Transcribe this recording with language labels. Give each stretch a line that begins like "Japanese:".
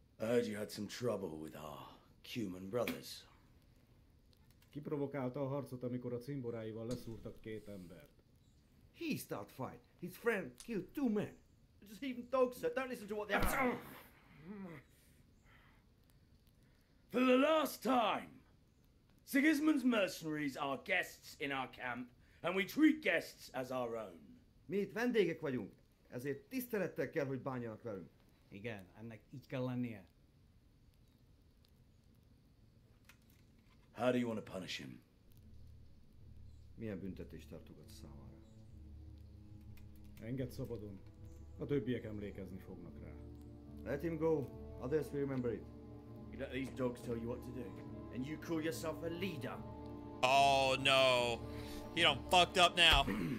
English: I heard you had some trouble with our Cuman brothers.
Hungarian: Kiprovokálta a harcot, amikor a cimboráival leszúrtak két embert.
English: He started fight. His friend killed two men. Just even dogs, sir. Don't listen to what they are. For the last time, Sigismund's mercenaries are guests in our camp, and we treat guests as our own.
Hungarian: Mi itt vendégek vagyunk, ezért tisztelettel kell, hogy bánjanak velünk. Igen, ennek így kell lennie.
English: How do you want to punish him?
Hungarian: Milyen büntetést tartogat számára? Engedd szabadon. A többiek emlékezni fognak rá.
English: Let him go. Others will remember it. You let these dogs tell you what to do. And you call yourself a leader. Oh no. You done fucked up now.